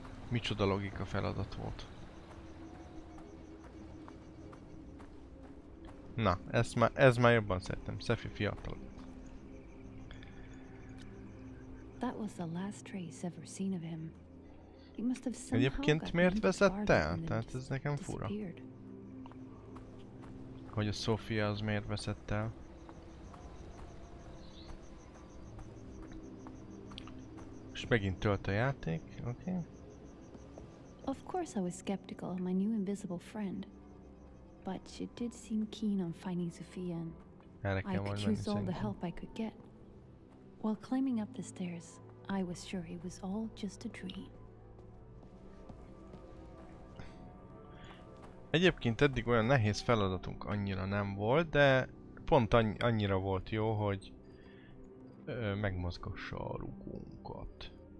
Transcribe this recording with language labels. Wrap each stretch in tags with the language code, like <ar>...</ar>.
<hu>Micsoda logika feladat volt. Na, ez már jobban szeretem. Szefi fiatal.</hu> <en>That was the last trace ever seen of him. He must have somehow.</en> <hu>Egyébként miért veszett el? Tehát ez nekem fura. Hogy a Sofia az miért veszett el? És megint tölt a játék, oké?</hu> <en>Of course I was skeptical of my new invisible friend. But she did seem keen on finding Sophia, and I could use all the help I could get. While climbing up the stairs, I was sure it was all just a dream.</en> <hu>Egyébként eddig olyan nehéz feladatunk annyira nem volt, de pont annyira volt jó, hogy megmozgassa a rugónkat.</hu>